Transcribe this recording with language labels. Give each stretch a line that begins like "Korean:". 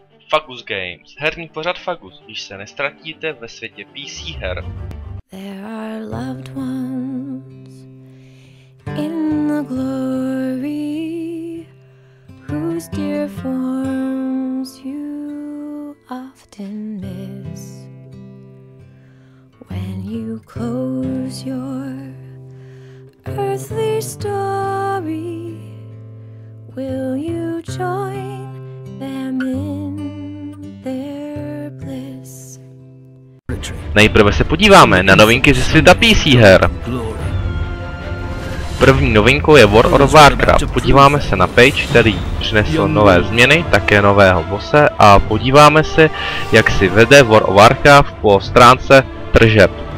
Czech: Fagus Games, herní pořad Fagus, když se nestratíte ve světě PC her.
English: There are loved ones in the glory whose dear forms you often miss when you close your earthly story. Will you join them in their bliss?
Czech: Nejprve se podíváme na novinky ze světa PC her. První novinkou je World of Warcraft. Podíváme se na page, který přinesl nové změny, také nového bosse, a podíváme se, jak si vede World of Warcraft po stránce tržeb.